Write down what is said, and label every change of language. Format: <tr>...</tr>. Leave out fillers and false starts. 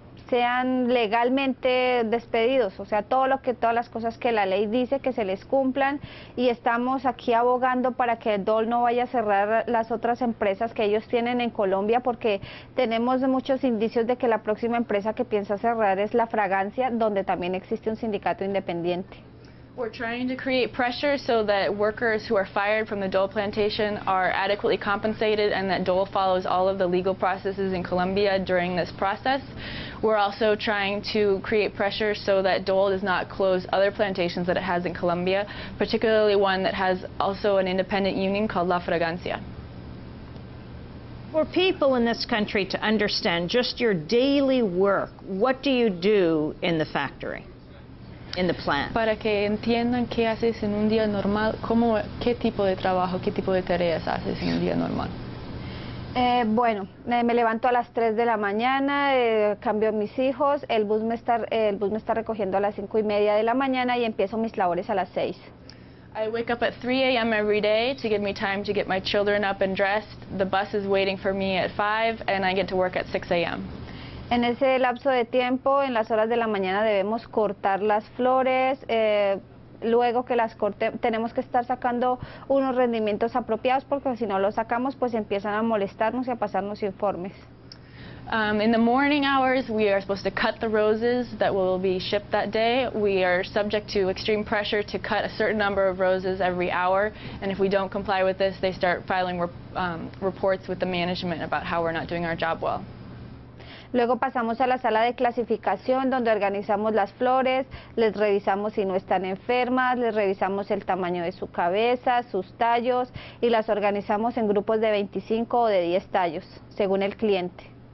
<es>sean legalmente despedidos, o sea, todas las cosas que la ley dice que se les cumplan, y estamos aquí abogando para que Dole no vaya a cerrar las otras empresas que ellos tienen en Colombia, porque tenemos muchos indicios de que la próxima empresa que piensa cerrar es La Fragancia, donde también existe un sindicato independiente.</es> <en>We're trying to create pressure so that workers who are fired from the Dole plantation are adequately compensated, and that Dole follows all of the legal processes in Colombia during this process. We're also trying to create pressure so that Dole does not close other plantations that it has in Colombia, particularly one that has also an independent union called La Fragancia. For people in this country to understand just your daily work, what do you do in the factory? In the plant.</en> <es>Para que entiendan qué haces en un día normal, qué tipo de trabajo, qué tipo de tareas haces en un día normal. Bueno, me levanto a las 3 de la mañana, cambio mis hijos, el bus me está recogiendo a las 5 y media de la mañana y empiezo mis labores a las 6.</es> <en>I wake up at 3 a.m. every day to give me time to get my children up and dressed. The bus is waiting for me at 5 and I get to work at 6 a.m.</en> <es>En ese lapso de tiempo, en las horas de la mañana debemos cortar las flores. Luego que las corte, tenemos que estar sacando unos rendimientos apropiados porque si no los sacamos, pues empiezan a molestarnos y a pasarnos informes.</es> <en>In the morning hours, we are supposed to cut the roses that will be shipped that day. We are subject to extreme pressure to cut a certain number of roses every hour. And if we don't comply with this, they start filing reports with the management about how we're not doing our job well.</en> <es>Luego pasamos a la sala de clasificación donde organizamos las flores, les revisamos si no están enfermas, les revisamos el tamaño de su cabeza, sus tallos y las organizamos en grupos de 25 o de 10 tallos, según el cliente.</es>